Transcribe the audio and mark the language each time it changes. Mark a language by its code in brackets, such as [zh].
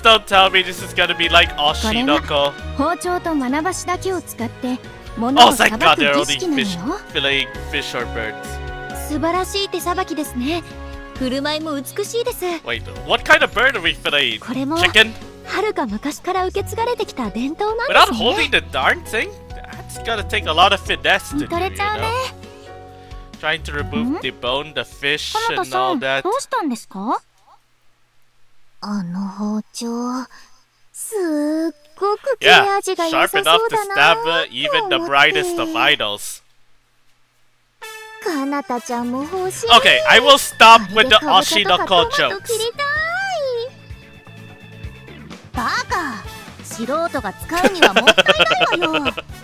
[en] don't tell me this is gonna be like Oshinoko. [ja] これが包丁と学ばしだけを使って物を捌く儀式なの。素晴らしい手さばきですね。素晴らしい手さばきですね。振る舞いも美しいです。 [en] Wait, what kind of bird are we filleting? [ja] これも遥か昔から受け継がれてきた伝統なんですね。 [en] Without holding the darn thing? That's gonna take a lot of finesse to do, you know? Trying to remove the bone, the fish, and all that. [ja] どうしたんですか？ あの包丁、すっ [en] Yeah, sharp enough to stab even the brightest of idols. Okay, I will stop with the Oshinoko jokes.